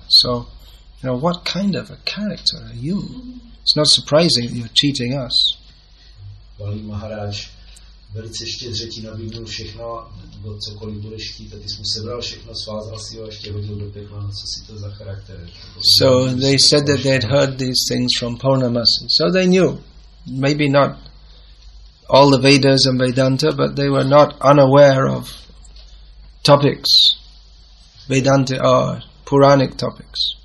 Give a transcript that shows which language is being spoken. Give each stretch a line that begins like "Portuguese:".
English: So, you know, what kind of a character are you? It's not surprising that you're cheating us.
Czech: Bali Maharaj velice štědře ti nabídnul všechno, nebo cokoliv budeš chtít, a ty jsi mu sebral všechno, svázal si ho a ještě hodil do pekla, co si to za charakter.
English: So they said that they'd heard these things from Purnamasi. So they knew. Maybe not all the Vedas and Vedanta, but they were not unaware of topics, Vedanta or Puranic topics.